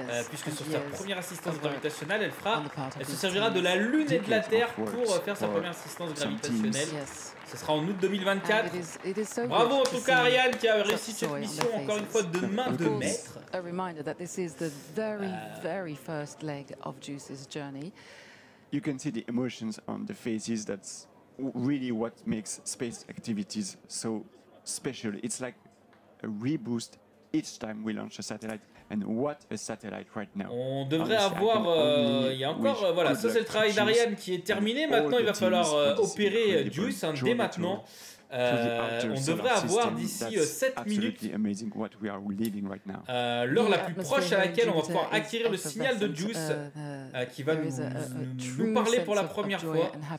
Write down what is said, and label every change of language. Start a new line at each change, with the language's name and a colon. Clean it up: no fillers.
French: Puisque sur sa première assistance gravitationnelle, elle se servira de la Lune et de la Terre pour faire sa première assistance gravitationnelle. Ce sera en août 2024. Bravo en tout cas Ariane qui a réussi cette mission encore une fois de main de maître.
English: A reminder that this is the very very first leg of Juice's journey. You can see the emotions on the faces. That's really what makes space activities so special. It's like a reboost each time we launch a satellite. And what a satellite right now.
French: On devrait avoir, il y a encore, voilà, ça c'est le travail d'Ariane qui est terminé. Maintenant, il va falloir opérer Juice dès maintenant On devrait avoir d'ici 7 minutes l'heure la plus proche à laquelle on va pouvoir acquérir le signal de Juice qui va nous parler pour la première fois.